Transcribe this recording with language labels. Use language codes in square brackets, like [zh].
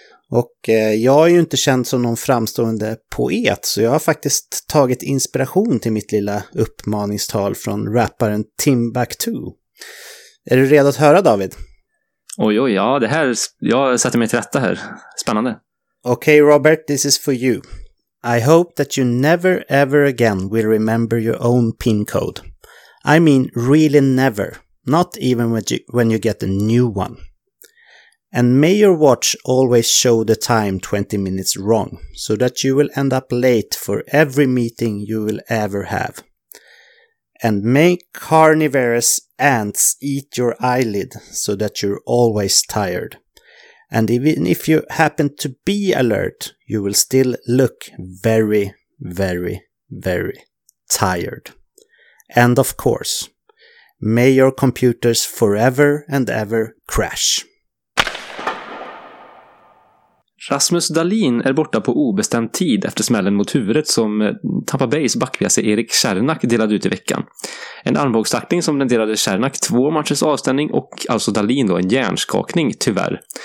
[sv] Och jag är ju inte känd som någon framstående poet, så jag har faktiskt tagit inspiration till mitt lilla uppmaningstal från rapparen Timbuktu. Är du redo att höra, David? Oj, oj, ja, det här, jag sätter mig till rätta här. Spännande. [en] Okay, Robert, this is for you. I hope that you never ever again will remember your own PIN code. I mean, really never. Not even when you get a new one. And may your watch always show the time 20 minutes wrong, so that you will end up late for every meeting you will ever have. And may carnivorous ants eat your eyelid, so that you're always tired. And even if you happen to be alert, you will still look very, very, very tired. And of course, may your computers forever and ever crash. [sv] Rasmus Dahlin är borta på obestämd tid efter smällen mot huvudet som Tampa Bays backpjäs Erik Cernak delade ut i veckan. En armbågsstackning som renderade Cernak 2 matchers avstängning och alltså Dahlin då en hjärnskakning tyvärr.